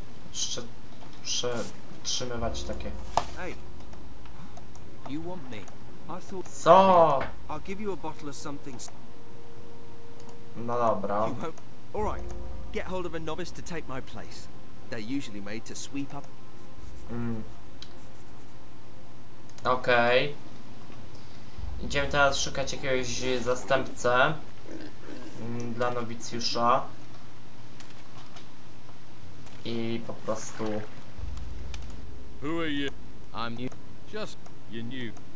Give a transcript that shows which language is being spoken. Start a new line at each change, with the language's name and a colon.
Polish: Jeszcze przytrzymywać takie.
English: Hey. You want me? I thought...
Polish: Co?
English: I'll give you a bottle of something.
Polish: No dobra.
English: All right, get hold of a novice to take my place. They're usually made to sweep up.
Polish: Okej. Idziemy teraz szukać jakiegoś zastępcę dla nowicjusza. I po prostu.
English: Who are you? I'm new. Just you're new.